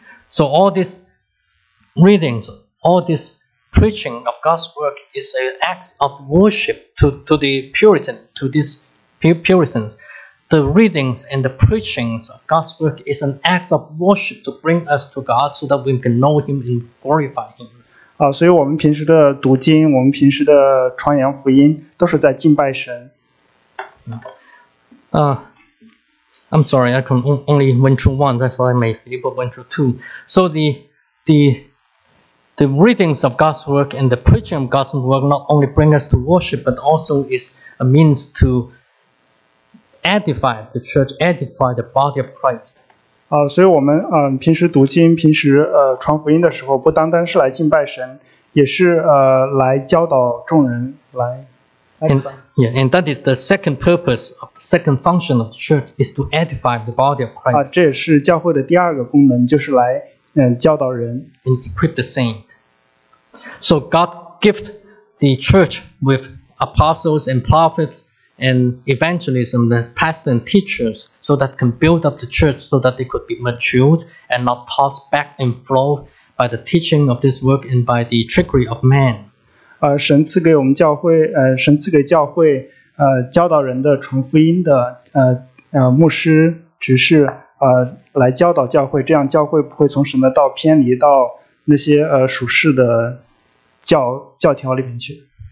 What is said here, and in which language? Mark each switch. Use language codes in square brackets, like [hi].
[en] So all these readings, all thesePreaching of God's work is an act of worship to the Puritan, to these Puritans. The readings and the preachings of God's work is an act of worship to bring us to God so that we can know Him and glorify Him. [zh] 所以我们平时的读经，我们平时的传扬福音，都是在敬拜神。 [en] I'm sorry, I can only went through one, that's why my people went through two. So the readings of God's work and the preaching of God's work not only bring us to worship, but also is a means to edify the church, edify the body of Christ. [zh] 所以我们平时读经，平时传福音的时候，不单单是来敬拜神，也是来教导众人来。 [en] And that is the second purpose, second function of the church is to edify the body of Christ. [zh] 这也是教会的第二个功能，就是来教导人。 [en] And equip the saint. So God gifted the church with apostles and prophets and evangelism, the pastors and teachers, so that can build up the church so that they could be matured and not tossed back and forth by the teaching of this work and by the trickery of man. [zh] 神赐给我们教会，神赐给教会，教导人的传福音的，牧师执事，来教导教会，这样教会不会从神的道偏离到那些属世的教条里面去。